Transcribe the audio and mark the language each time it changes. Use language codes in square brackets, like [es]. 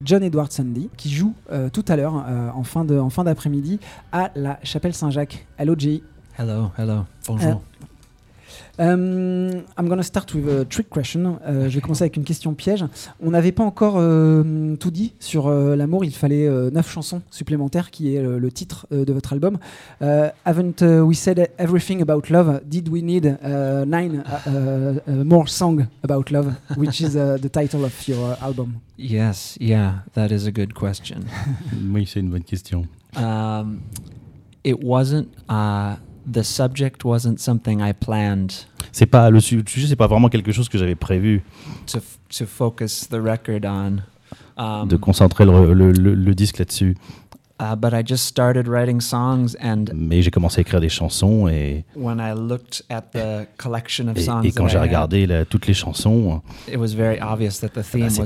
[fr] John Edward Sundy, qui joue tout à l'heure, en fin d'après-midi, à la Chapelle Saint-Jacques. [en] Hello, Jay. Hello, hello. [fr] Bonjour. [en] I'm going to start with a trick question. [fr] Je vais commencer avec une question piège. On n'avait pas encore tout dit sur l'amour. Il fallait 9 chansons supplémentaires, qui est le titre de votre album. [en] Haven't we said everything about love? Did we need 9 more songs about love, which is the title of your album? Yes, yeah, that is a good question. [fr] Oui, c'est une bonne question. [en] It wasn't... The subject wasn't something I planned. [fr] C'est pas le sujet, c'est pas vraiment quelque chose que j'avais prévu. [en] To focus the record on. [fr] De concentrer le disque là-dessus. [en] But I just started writing songs and. [fr] Mais j'ai commencé à écrire des chansons et. [en] When I looked at the collection of songs. [fr] Et quand j'ai regardé toutes les chansons. [en] It was very obvious that the theme was love.